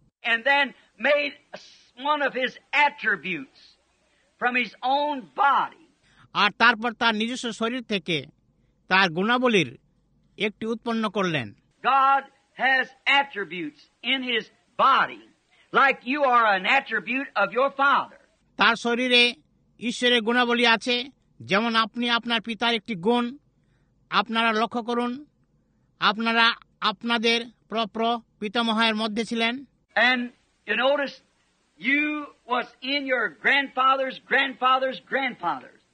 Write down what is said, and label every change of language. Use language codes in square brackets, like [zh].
[en] And then made one of his attributes from his own body. [bn] আর তারপর তার নিজস্ব শরীর থেকে তার গুণাবলীর একটি উৎপন্ন করলেন। [en] God has attributes in his body, like you are an attribute of your father. [bn] তার শরীরে ঈশ্বরের গুণাবলী আছে, যেমন আপনি আপনার পিতার একটি গুণ। আপনারা লক্ষ্য করুন, আপনারা আপনাদের প্রপ্র পিতামহের মধ্যে ছিলেন। [en] And you notice you was in your grandfather's grandfather's grandfather.